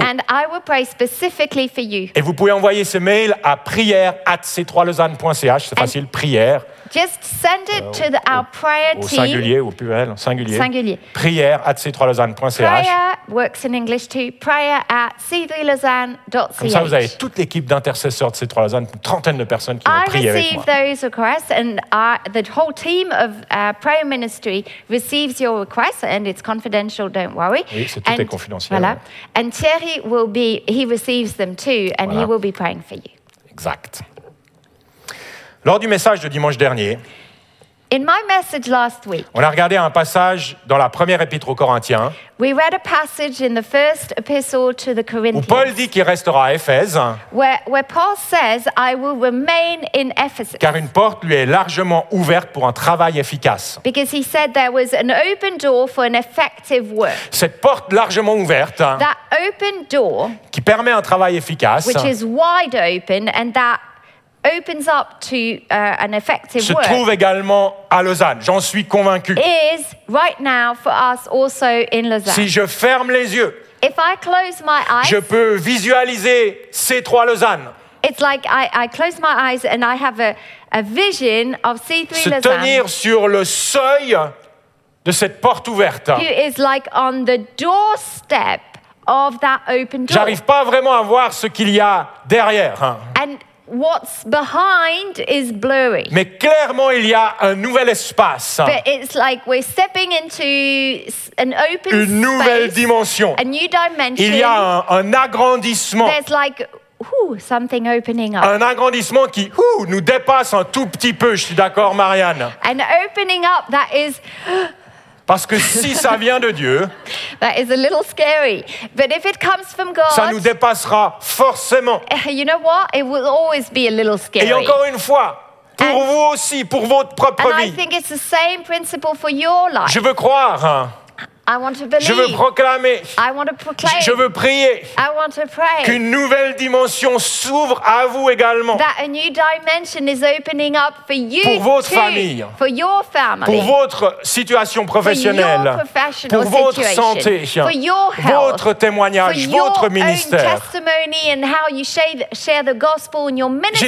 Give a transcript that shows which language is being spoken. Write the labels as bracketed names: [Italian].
[English] And I will pray specifically for you. [French] Et vous pouvez envoyer ce mail à prière@c3lausanne.ch. C'est [English] and [French] facile, prière. [English] Just send it to our prayer team. [French] Au singulier, au pluriel, singulier. Singulier. prière@c3lausanne.ch. [English] Prayer works in English too. prayer@c3lausanne.ch. [French] Comme ça, vous avez toute l'équipe d'intercesseurs de C3 Lausanne, une trentaine de personnes qui vont prier avec moi. [English] I receive those requests and the whole team of prayer ministry receives your requests and it's confidential, don't worry. [French] Oui, c'est tout est confidentiel. Voilà. [English] And Thierry will be, he receives them too and voilà. He will be praying for you. [French] Exact. Lors du message de dimanche dernier, [English] in my message last week, [French] on a regardé un passage dans la première épître aux Corinthiens. [English] We read a passage in the first epistle to the Corinthians. [French] Où Paul dit qu'il restera à Éphèse. [English] Where Paul says, I will remain in Ephesus. [French] Car une porte lui est largement ouverte pour un travail efficace. [English] Because he said there was an open door for an effective work. [French] Cette porte largement ouverte. [English] That open door. [French] Qui permet un travail efficace. [English] Which is wide open and that opens up to an effective [French] se trouve [English] work, [French] également à Lausanne, j'en suis convaincu. [English] Is right now for us also in Lausanne. [French] Si je ferme les yeux, [English] if I close my eyes, [French] je peux visualiser C3 Lausanne. [English] It's like I close my eyes and I have a vision of C3 [French] se [English] Lausanne. [French] Se tenir sur le seuil de cette porte ouverte. [English] Who is like on the doorstep of that open door. [French] J'arrive pas vraiment à voir ce qu'il y a derrière. [English] And what's behind is blurry. [French] Mais clairement, il y a un nouvel espace. [English] But it's like we're stepping into an open space. [French] Une nouvelle dimension. [English] A new dimension. [French] Il y a un agrandissement. [English] There's like something opening up. [French] Un agrandissement qui nous dépasse un tout petit peu. Je suis d'accord, Marianne. [English] An opening up that is. [French] Parce que si ça vient de Dieu, [English] that is a little scary. But if it comes from God, [French] ça nous dépassera forcément. [English] You know what? It will always be a little scary. [French] Et encore une fois, pour vous aussi, pour votre propre vie. [English] And I think it's the same principle for your life. [French] Je veux croire. [English] I want to believe. [French] Je veux proclamer. [English] I want to proclaim. [French] Je veux prier. [English] I want to pray. [French] Qu'une nouvelle dimension s'ouvre à vous également. [English] That a new dimension is opening up for you. [French] Pour votre [English] too, [French] famille. [English] For your family. [French] Pour votre situation professionnelle. [English] For your professional [French] pour votre [English] situation. [French] Santé. [English] For your health. [French] Votre témoignage, [English] for [French] votre [English] your [French] ministère. [English] Own testimony and how you share the gospel in your ministry.